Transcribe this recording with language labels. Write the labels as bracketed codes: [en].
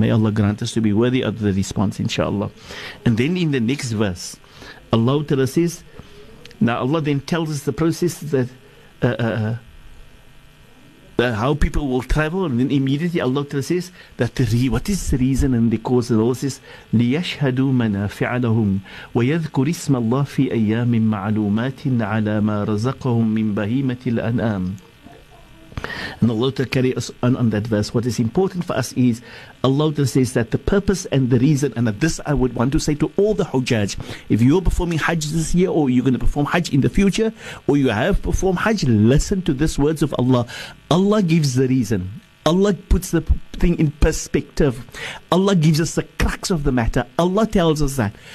[en] May Allah grant us to be worthy of the response, inshallah. And then in the next verse, Allah Ta'ala says, now Allah then tells us the process that how people will travel, and then immediately Allah Ta'ala says that what is the reason and the cause? And Allah says, [ar] لِيَشْهَدُوا مَنَافِعَ لَهُمْ وَيَذْكُرِ اسْمَ اللَّهِ فِي أَيَّامٍ مَعْلُومَاتٍ عَلَى مَا رَزَقَهُمْ مِنْ بَهِيمَةِ الْأَنْآمِ. [en] And Allah Ta'ala carry us on that verse. What is important for us is Allah Ta'ala says that the purpose and the reason, and that this I would want to say to all the Hujjaj, if you're performing Hajj this year, or you're going to perform Hajj in the future, or you have performed Hajj, listen to these words of Allah. Allah gives the reason. Allah puts the thing in perspective. Allah gives us the crux of the matter. Allah tells us that.